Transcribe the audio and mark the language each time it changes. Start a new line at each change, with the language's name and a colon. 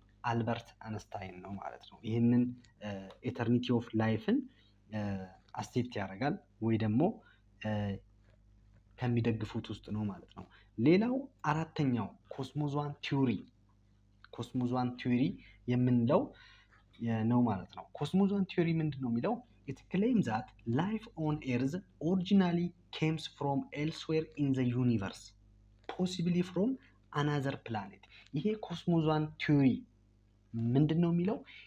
Amharic: አልበርት አንስታይን ነው ማለት ነው። ይህንን ኤተርኒቲ ኦፍ ላይፍን አሴፕት ያደርጋል ወይ ደግሞ ከሚደግፉት ውስጥ ነው ማለት ነው። ሌላው አራተኛው ኮስሞዝዋን ቲዮሪ የምንለው ነው ማለት ነው። ኮስሞዝዋን ቲዮሪ ምንድን ነው የሚለው?
English: it claims that life on earth originally came from elsewhere in the universe possibly from another planet.
Amharic: ይሄ ኮስሞዝዋን ቲዮሪ ምንድነው የሚለው?